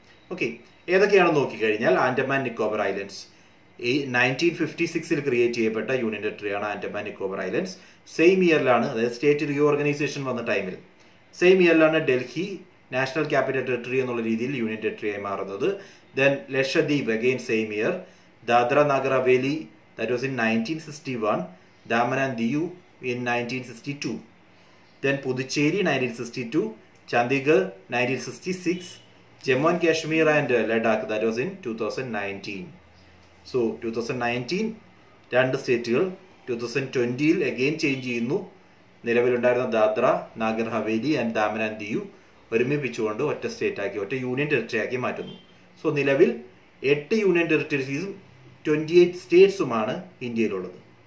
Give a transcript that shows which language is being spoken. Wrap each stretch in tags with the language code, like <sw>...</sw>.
<ml>Okay, ഏതൊക്കെയാണെന്ന് നോക്കിക്കഴിഞ്ഞാൽ Andaman Nicobar islands 1956 create ചെയ്യപ്പെട്ട union ടെറിട്ടറിയാണ് Andaman Nicobar islands. Same ഇയറിലാണ്, അതായത് സ്റ്റേറ്റ് റീഓർഗനൈസേഷൻ വന്ന ടൈമിൽ, same ഇയറിലാണ് Delhi national capital territory എന്നുള്ള രീതിയിൽ യൂണിയൻ ടെറിട്ടറിയായി മാറുന്നത്. Then Lakshadweep again same year,</ml> <en>Dadra Nagar Haveli, that was in 1961, Daman and Diu in 1962, then Puducherry 1962, Chandigarh 1966, Jammu and Kashmir and Ladakh, that was in 2019.</en> <ml>So 2019 രണ്ട് സ്റ്റേറ്റുകൾ, 2020 again change ചെയ്യുന്നു. നിലവിലുണ്ടായിരുന്ന Dadra Nagar Haveli and Daman and Diu ഒരുമിപ്പിച്ചുകൊണ്ട് ഒറ്റ സ്റ്റേറ്റാക്കി, ഒറ്റ union ടെറിട്ടറിയാക്കി മാറ്റുന്നു. So നിലവിൽ 8 union ടെറിട്ടറീസും 28 സ്റ്റേറ്റ്സുമാണ് ഇന്ത്യയിലുള്ളത്.</ml>